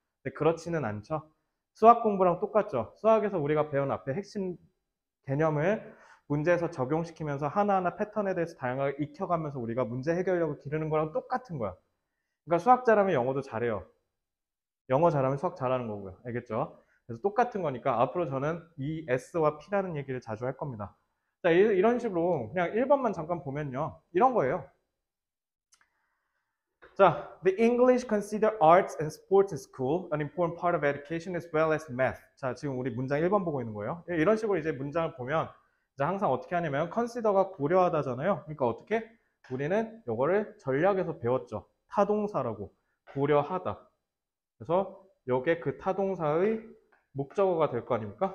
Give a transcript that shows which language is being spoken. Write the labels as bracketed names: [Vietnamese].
[Korean] 근데 그렇지는 않죠. 수학 공부랑 똑같죠. 수학에서 우리가 배운 앞에 핵심 개념을 문제에서 적용시키면서 하나하나 패턴에 대해서 다양하게 익혀가면서 우리가 문제 해결력을 기르는 거랑 똑같은 거야. 그러니까 수학자라면 영어도 잘해요. 영어 잘하면 수학 잘하는 거고요. 알겠죠? 그래서 똑같은 거니까 앞으로 저는 이 S와 P라는 얘기를 자주 할 겁니다. 자, 이런 식으로 그냥 1번만 잠깐 보면요. 이런 거예요. 자, [English] The English consider arts and sports in school an important part of education as well as math. [Korean] 자, 지금 우리 문장 1번 보고 있는 거예요. 이런 식으로 이제 문장을 보면 이제 항상 어떻게 하냐면 consider가 고려하다잖아요. 그러니까 어떻게? 우리는 요거를 전략에서 배웠죠. 타동사라고 고려하다. 그래서 요게 그 타동사의 목적어가 될거 아닙니까?